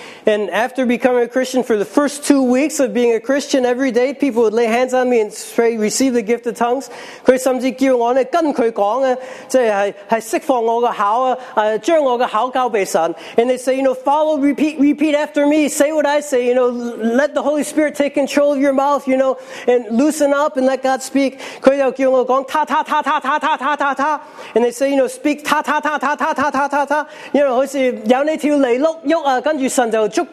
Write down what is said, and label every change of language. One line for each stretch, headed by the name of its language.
English: And after becoming a Christian, for the first 2 weeks of being a Christian, every day people would lay hands on me and pray, receive the gift of tongues.
Chinese: 他甚至叫我跟他讲,即是释放我的口,将我的口交给神.
English: And they say, you know, follow, repeat after me, say what I say, you know, let the Holy Spirit take control of your mouth, you know, and loosen up and let God speak.
Chinese: 他又叫我讲,ta-ta-ta-ta-ta-ta-ta-ta-ta.
English: And they say, you know, speak, ta-ta-ta-ta-ta-ta-ta-ta-ta. You know,
Chinese: 好像有你跳来,动,跟着神就